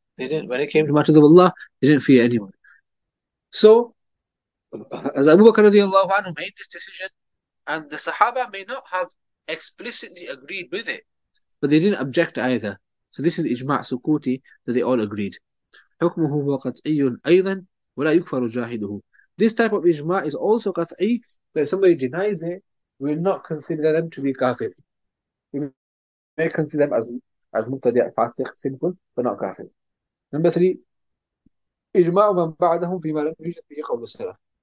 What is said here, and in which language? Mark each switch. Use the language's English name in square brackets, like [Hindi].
[English] They didn't, when it came to matters of Allah, they didn't fear anyone. So as Abu Bakr radiallahu anhu made this decision, and the Sahaba may not have explicitly agreed with it, but they didn't object either. So this is Ijma' Sukuti, that they all agreed. [Arabic] حكمه هو قطعي أيضا ولا يكفر جاهده. [English] This type of ijma is also qat'i, where somebody denies it, will not consider them to be kafir. We may consider them as mubtadi', fasiq, sinful, but not kafir. Number three, [Arabic] ijma of man ba'dahum fima lam yujad bihi qawl as-salaf.